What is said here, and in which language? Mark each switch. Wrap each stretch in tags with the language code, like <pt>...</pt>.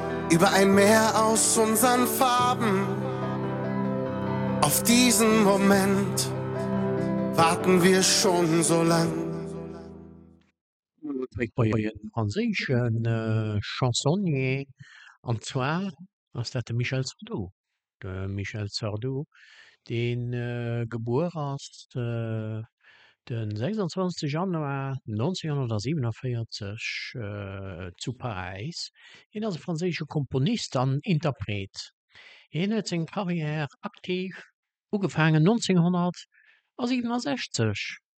<de>Über ein Meer aus unseren Farben. Auf diesen Moment warten wir schon so lang.</de> <fr>Avec moi, il y a une transition, chansonnier.</fr> <de>Und zwar,</de> <fr>c'est de Michel Sardou.</fr> <de>De Michel Sardou, den geboren ist den 26. Januar 1947 zu Paris. Er ist ein französischer Komponist und Interpret. Er hat seine Karriere aktiv angefangen 1967.</de>